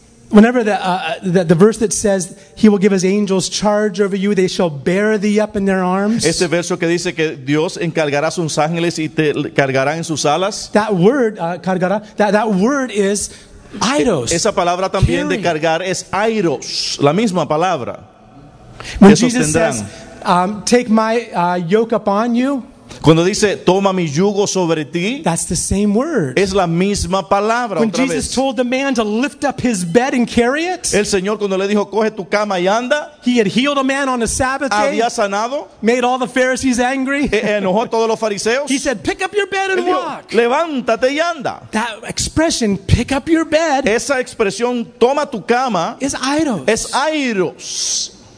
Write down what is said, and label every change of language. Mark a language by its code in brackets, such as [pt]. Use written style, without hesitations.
[en] Whenever the verse that says he will give his angels charge over you, they shall bear thee up in their arms. [es] Ese verso que dice que Dios encargará sus ángeles y te cargará en sus alas. [en] That word cargará. That word is airos. [es] Esa palabra también carry. De cargar es airos, la misma palabra. [en] When Jesus says, "Take my yoke upon you." [es] Cuando dice toma mi yugo sobre ti, [en] that's the same word. [es] Es la misma palabra. [en] When [es] otra [en] Jesus [es] vez. [en] Told the man to lift up his bed and carry it, [es] el Señor cuando le dijo coge tu cama y anda, [en] he had healed a man on the Sabbath [es] había [en] day. [es] Había sanado. [en] Made all the Pharisees angry. [es] Enojó a todos los fariseos. [en] He said, pick up your bed and [es] dijo, [en] walk. [es] Levántate y anda. [en] That expression, pick up your bed. [es] Esa expresión toma tu cama. [en] Is airos. [es] Es airos.